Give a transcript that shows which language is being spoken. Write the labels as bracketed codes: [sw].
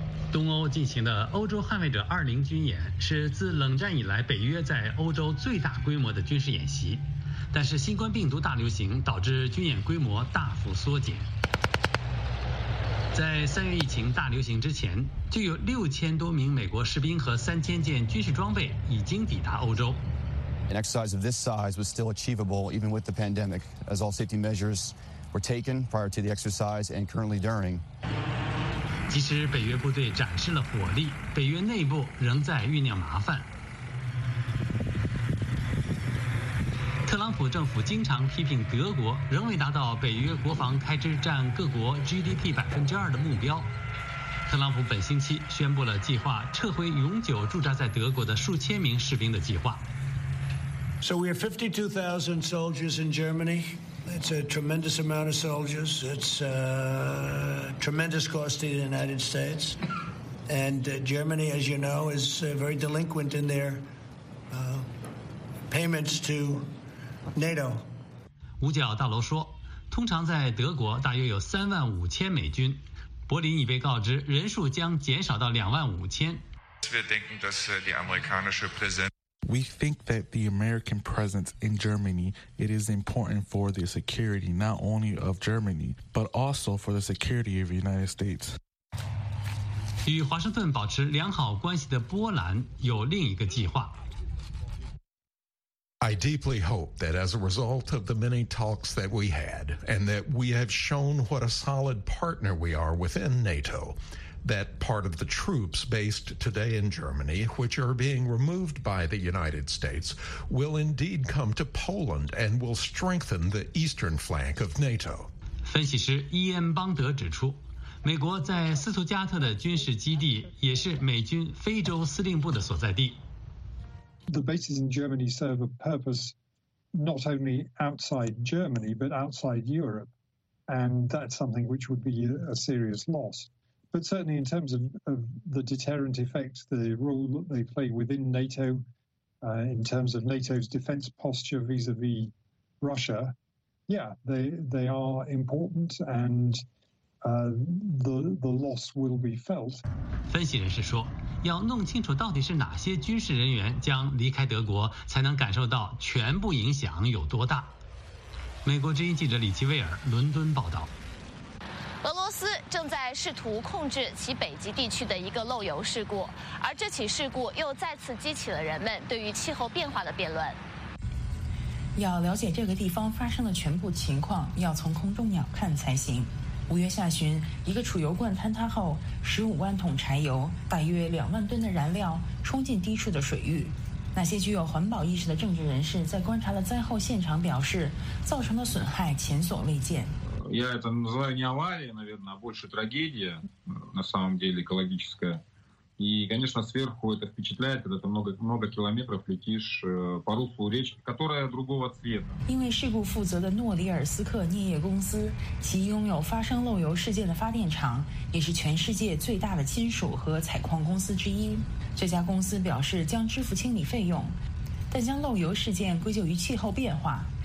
[zh] 东欧进行的欧洲捍卫者20军演是自冷战以来北约在欧洲最大规模的军事演习，但是新冠病毒大流行导致军演规模大幅缩减。在三月疫情大流行之前，就有6000多名美国士兵和3000件军事装备已经抵达欧洲。 [en] An exercise of this size was still achievable even with the pandemic, as all safety measures were taken prior to the exercise and currently during. [zh] 即使北约部队展示了火力，北约内部仍在酝酿麻烦。特朗普政府经常批评德国仍未达到北约国防开支占各国 GDP 2%的目标。特朗普本星期宣布了计划撤回永久驻扎在德国的数千名士兵的计划。 [en] So we have 52,000 soldiers in Germany. It's a tremendous amount of soldiers. It's a tremendous cost to the United States. And Germany, as you know, is very delinquent in their payments to NATO. [zh] 五角大楼说，通常在德国大约有35,000美军。柏林已被告知人数将减少到25,000。 [de] Wir denken, dass die amerikanische Präsenz [en] We think that the American presence in Germany, it is important for the security, not only of Germany, but also for the security of the United States. [zh] 与华盛顿保持良好关系的波兰有另一个计划。 [en] I deeply hope that as a result of the many talks that we had, and that we have shown what a solid partner we are within NATO,that part of the troops based today in Germany, which are being removed by the United States, will indeed come to Poland and will strengthen the eastern flank of NATO. [zh] 分析师伊恩·邦德指出，美国在斯图加特的军事基地也是美军非洲司令部的所在地。 [en] The bases in Germany serve a purpose not only outside Germany, but outside Europe. And that's something which would be a serious loss. But certainly in terms of the deterrent effect, the role that they play within NATO, in terms of NATO's defense posture vis-a-vis Russia, yeah, they are important and the loss will be felt. [zh] 分析人士说，要弄清楚到底是哪些军事人员将离开德国，才能感受到全部影响有多大。美国之音记者李奇威尔，伦敦报道。俄罗斯正在试图控制其北极地区的一个漏油事故，而这起事故又再次激起了人们对于气候变化的辩论。要了解这个地方发生的全部情况，要从空中鸟瞰才行。五月下旬，一个储油罐坍塌后，15万桶柴油，大约20,000吨的燃料冲进低处的水域。那些具有环保意识的政治人士在观察了灾后现场表示，造成的损害前所未见。 [ru] Я это называю не аварией, наверное, а больше трагедия, на самом деле, экологическая. И, конечно, сверху это впечатляет, когда ты много километров летишь по руслу речки, которая другого цвета. [zh] 因为事故负责的诺里尔斯克镍业公司，其拥有发生漏油事件的发电厂，也是全世界最大的金属和采矿公司之一。这家公司表示将支付清理费用，但将漏油事件归咎于气候变化。